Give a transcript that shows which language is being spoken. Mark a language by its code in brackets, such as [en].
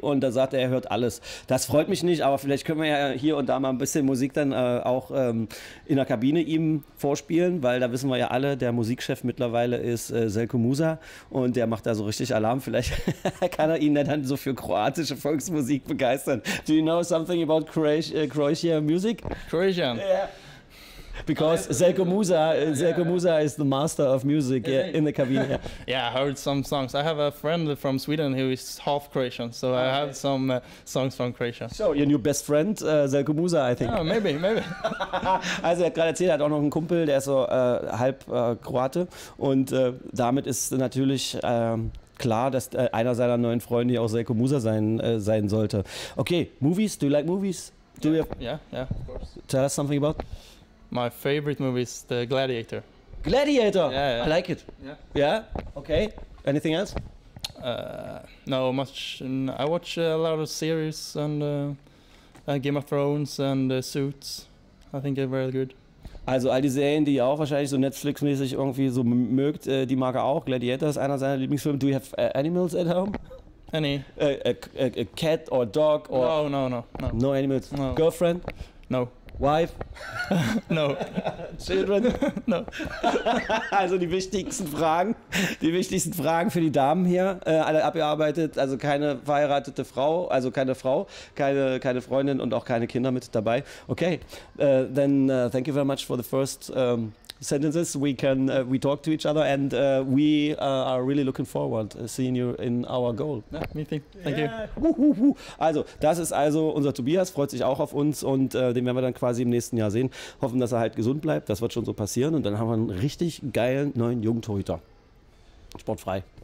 [de] Und da sagt er, er hört alles. Das freut mich nicht, aber vielleicht können wir ja hier und da mal ein bisschen Musik dann auch in der Kabine ihm vorspielen, weil da wissen wir ja alle, der Musikchef mittlerweile ist Selko Musa, und der macht da so richtig Alarm. Vielleicht kann er ihn dann so für kroatische Volksmusik begeistern. [en] Do you know something about Croatian music? Croatian? Yeah. Because Selko Musa is the master of music in the cabin. Yeah, I heard some songs. I have a friend from Sweden who is half Croatian, so I have some songs from Croatia. So, your new best friend, Selko Musa, I think. Yeah, maybe. [de] Also, er hat gerade erzählt, er hat auch noch einen Kumpel, der ist so halb Kroate. Und damit ist natürlich klar, dass einer seiner neuen Freunde auch Seiko Musa sein sollte. [en] Okay, movies, do you like movies? Do yeah. Yeah, of course. Tell us something about? My favorite movie is The Gladiator. Gladiator? Yeah. I like it. Yeah? Yeah? Okay, anything else? I watch a lot of series and Game of Thrones and Suits. I think they're very good. [de] Also all die Serien, die ihr auch wahrscheinlich so Netflix-mäßig irgendwie so mögt, die mag er auch. Gladiator ist einer seiner Lieblingsfilme. [en] Do you have animals at home? Any. A cat or dog or... No. No animals? No. Girlfriend? No. Wife? No. Children? No. [de] Also die wichtigsten Fragen für die Damen hier, alle abgearbeitet, also keine verheiratete Frau, also keine Frau, keine Freundin und auch keine Kinder mit dabei. [en] Okay, then thank you very much for the first sentences. We talk to each other and we are really looking forward seeing you in our goal. Yeah, me too. Thank you. Woo-hoo-hoo. [de] Also, das ist also unser Tobias, freut sich auch auf uns und den werden wir dann quasi im nächsten Jahr sehen. Hoffen, dass er halt gesund bleibt, das wird schon so passieren und dann haben wir einen richtig geilen neuen Jungtorhüter. Sportfrei.